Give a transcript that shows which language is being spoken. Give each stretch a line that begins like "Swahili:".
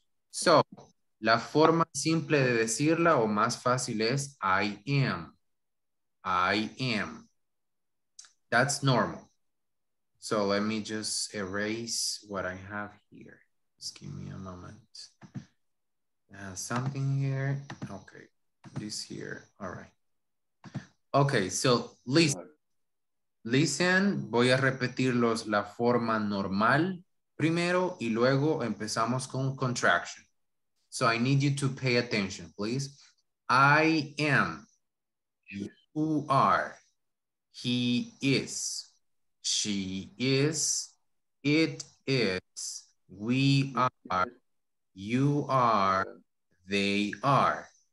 Spanish: So, la forma simple de decirla o más fácil es
English: I am. I am. That's normal. So let me just erase what I have here. Just give me a moment. Something here. Okay. This here. All right. Okay. So listen. Listen.
Spanish: Voy a repetir la forma normal primero y luego empezamos con contraction.
English: So I need you to pay attention, please. I am. You are. He is. She is, it is, we are, you are, they are.